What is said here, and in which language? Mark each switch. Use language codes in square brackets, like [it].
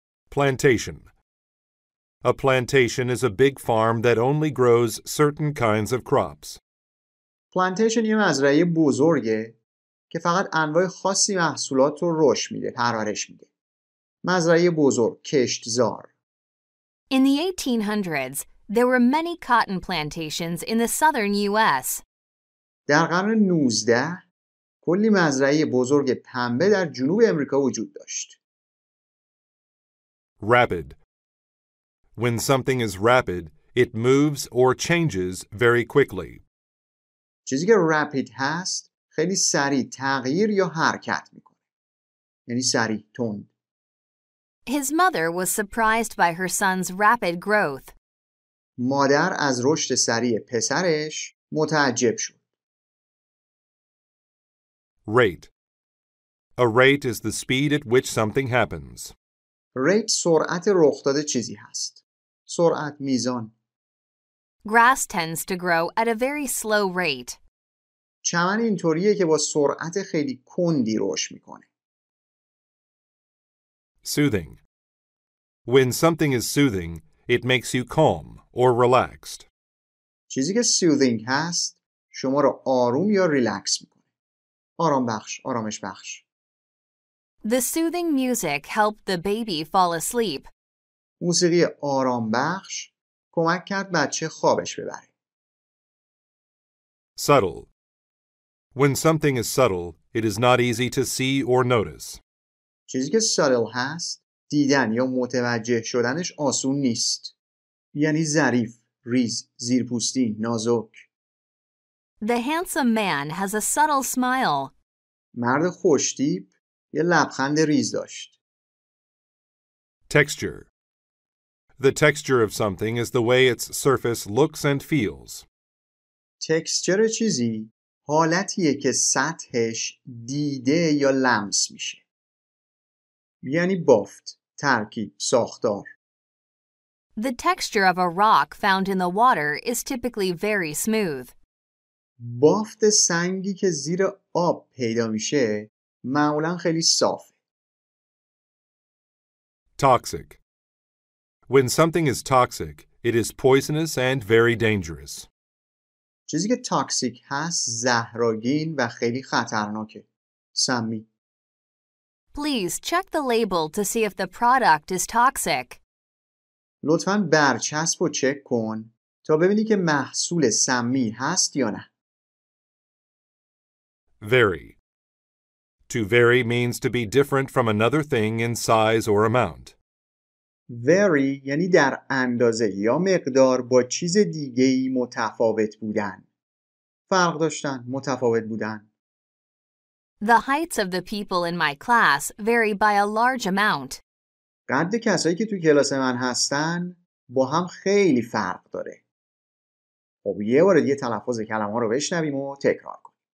[en] Plantation. A plantation is a big farm that only grows certain kinds of crops. [fa] Plantation یه مزرعه بزرگه که فقط انواع خاصی محصولات رو رشد میده، پرورش میده. مزرعه بزرگ، کشتزار. [en] In the 1800s, there were many cotton plantations in the southern US. [fa] در قرن 19 کلی مزرعه بزرگ پنبه در جنوب امریکا وجود داشت. [en] Rapid. When something is rapid, it moves or changes very quickly. [fa] چیزی که rapid هست، خیلی سریع تغییر یا حرکت میکنه. یعنی سریع، تند. [en] His mother was surprised by her son's rapid growth. [fa] مادر از رشد سریع پسرش متعجب شد. [en] Rate. A rate is the speed at which something happens. [fa] ریت سرعت رخ داده چیزی هست. سرعت، میزان. [en] Grass tends to grow at a very slow rate. [fa] چمن اینطوریه که با سرعت خیلی کندی رشد میکنه. [en] Soothing. When something is soothing, it makes you calm or relaxed. [fa] چیزی که soothing هست، شما رو آروم یا ریلکس میکنه. آرام بخش، آرامش بخش. [en] The soothing music helped the baby fall asleep. [fa] موسیقی آرام بخش کمک کرد بچه خوابش ببره. [en] Subtle. When something is subtle, it is not easy to see or notice. [fa] چیزی که subtle هست، دیدن یا متوجه شدنش آسون نیست. یعنی ظریف، ریز، زیرپوستی، نازک. [en] The handsome man has a subtle smile. [fa] مرد خوش‌تیپ یه لبخند ریز داشت. [en] Texture. The texture of something is the way its surface looks and feels. [fa] Texture چیزی حالتیه که سطحش دیده یا لمس میشه. یعنی بافت، ترکیب، ساختار. [en] The texture of a rock found in the water is typically very smooth. [fa] بافت سنگی که زیر آب پیدا میشه معمولا خیلی صاف. [en] Toxic. When something is toxic, it is poisonous and very dangerous. [fa] چیزی که toxic هست زهرآگین و خیلی خطرناکه. سمی. [en] Please check the label to see if the product is toxic. [fa] لطفاً برچسب رو چک کن تا ببینی که محصول سمی هست یا نه. [en] Very. To vary means to be different from another thing in size or amount. [fa] Vary یعنی در اندازه یا مقدار با چیز دیگه‌ای متفاوت بودن. فرق داشتن، متفاوت بودن. [en] The heights of the people in my class vary by a large amount. [fa] قد کسایی که تو کلاس من هستن با هم خیلی فرق داره. خب یه بار دیگه تلفظ کلمه‌ها رو بشنویم و تکرار کنیم.